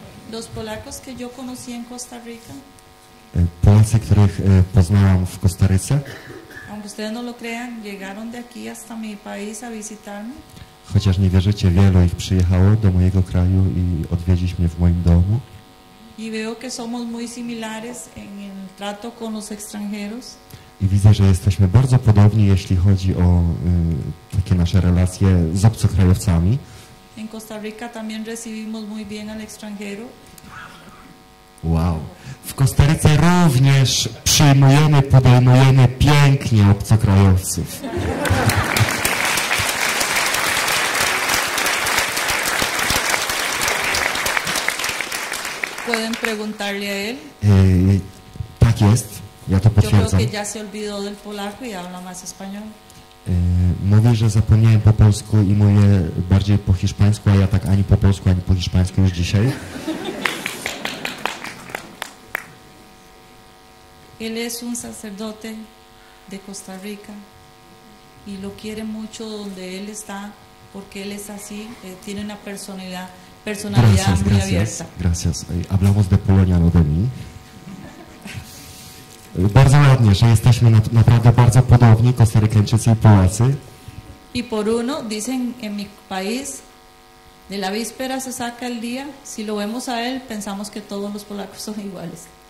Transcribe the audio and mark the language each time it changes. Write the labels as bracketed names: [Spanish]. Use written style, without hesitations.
[Spanish] Los Polacos que yo conocí en Costa Rica. [Polish] Polacy, których poznałam w Kostaryce. [Spanish] Aunque ustedes no lo crean, llegaron de aquí hasta mi país a visitarme. [Polish] Chociaż nie wierzycie, wielu ich przyjechało do mojego kraju i odwiedzić mnie w moim domu. [Spanish] Y veo que somos muy similares en el trato con los extranjeros. [Polish] I widzę, że jesteśmy bardzo podobni, jeśli chodzi o takie nasze relacje z obcokrajowcami. [Spanish] En Costa Rica también recibimos muy bien al extranjero. Wow. [Polish] W Kostaryce również podejmujemy pięknie obcokrajowców. [Spanish] Pueden preguntarle a él. [Polish] Tak jest. Ja to potwierdzam. [Spanish] Yo creo que ya se olvidó del polaco y habla más español. [Polish] Mówi, że zapomniałem po polsku i mówię bardziej po hiszpańsku, a ja tak ani po polsku, ani po hiszpańsku już dzisiaj. [Spanish] Él es un sacerdote de Costa Rica y lo quiere mucho donde él está porque él es así, tiene una personalidad gracias, muy abierta. Gracias. Hablamos de Polonia, no de mí. [Polish] Bardzo ładnie, że jesteśmy naprawdę bardzo podobni, Kostarykańczycy i Polacy. [Spanish] I por uno, dicen en mi país, de la víspera se saca el día, si lo vemos a él, pensamos que todos los polacos son iguales.